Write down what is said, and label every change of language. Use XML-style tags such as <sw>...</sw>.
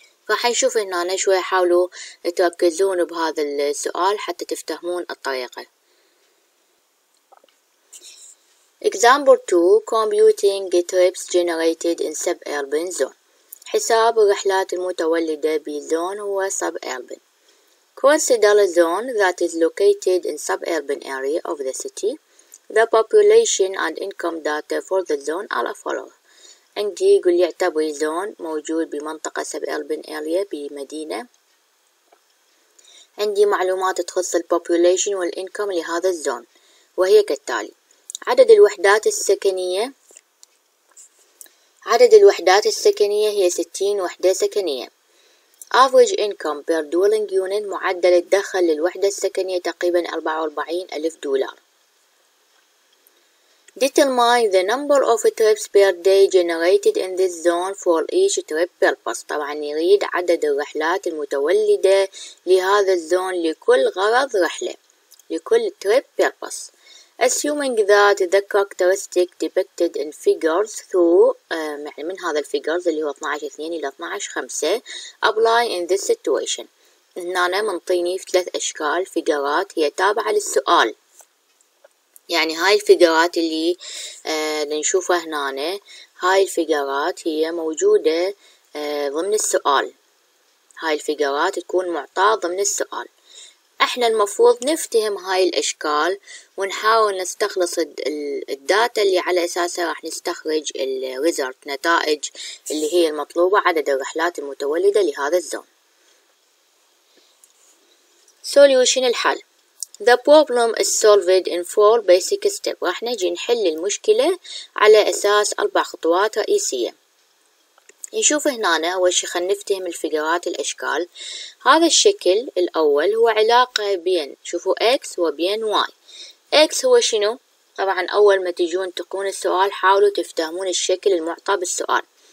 <ar>راح نشوف هنا شوي، حاولوا تركزون بهذا السؤال حتى تفتهمون الطريقة.</ar> <en>Example 2 Computing trips generated in suburban zone.</en> <ar>حساب الرحلات المتولدة بزون هو suburban.</ar> <en>Consider a zone that is located in suburban area of the city. The population and income data for the zone are as follows.</en> <ar>عندي يقول يعتبر زون موجود بمنطقة suburban area بمدينة. عندي معلومات تخص population والincome لهذا الزون وهي كالتالي: عدد الوحدات السكنية، عدد الوحدات السكنية هي 60 وحدة سكنية.</ar> <en>Average income per dwelling unit،</en> <ar>معدل الدخل للوحدة السكنية تقريبا 44,000 دولار.</ar> <en>Determine the number of trips per day generated in this zone for each trip purpose.</en> <ar>طبعا يريد عدد الرحلات المتولدة لهذا الزون لكل غرض رحلة، لكل trip purpose.</ar> <en>Assuming that the characteristic depicted in figures through</en> <ar>من هذا الفيجرز اللي هو</ar> <en>12-2 إلى 12-5 apply in this situation.</en> <ar>هنا أنا منطيني في ثلاث أشكال فيجرات هي تابعة للسؤال، يعني هاي الفيجرات اللي نشوفها هنا، هاي الفيجرات هي موجودة ضمن السؤال، هاي الفيجرات تكون معطاة ضمن السؤال. احنا المفروض نفتهم هاي الاشكال ونحاول نستخلص الداتا اللي على اساسها راح نستخرج الريزلت، نتائج اللي هي المطلوبة، عدد الرحلات المتولدة لهذا الزون.</ar> <en>Solution</en> <ar>الحل.</ar> <en>The problem is solved in 4 basic steps.</en> <ar>راح نجي نحل المشكلة على اساس 4 خطوات رئيسية. نشوف هنا أول شيء خلينا نفتهم الفقرات الأشكال. هذا الشكل الأول هو علاقة بين، شوفوا X وبين Y. X هو شنو؟ طبعا أول ما تجون تقون السؤال حاولوا تفتهمون الشكل المعطى بالسؤال.</ar>